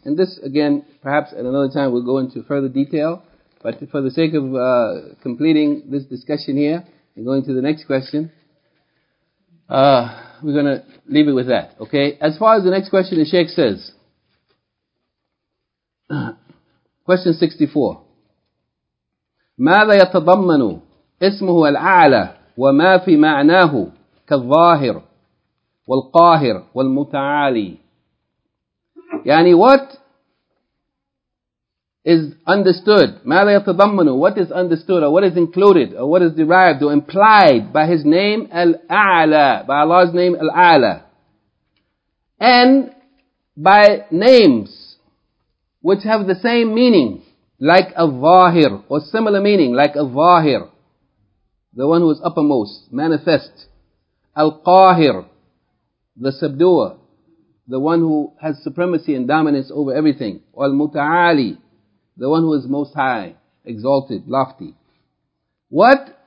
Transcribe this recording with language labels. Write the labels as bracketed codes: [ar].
[en] And this again, perhaps at another time we'll go into further detail, but for the sake of completing this discussion here, and going to the next question, we're going to leave it with that, okay? As far as the next question, the Shaykh says, question 64. [ar] ماذا يتضمن اسمه الأعلى وما في معناه كالظاهر والقاهر والمتعالي؟ يعني [en] what is understood? [ar] ماذا يتضمن? [en] What is understood or what is included or what is derived or implied by His name الأعلى, by Allah's name الأعلى, and by names which have the same meaning, like a vahir, or similar meaning, like a vahir, the one who is uppermost, manifest, al-qahir, the subduer, the one who has supremacy and dominance over everything, al-muta'ali, the one who is most high, exalted, lofty. What?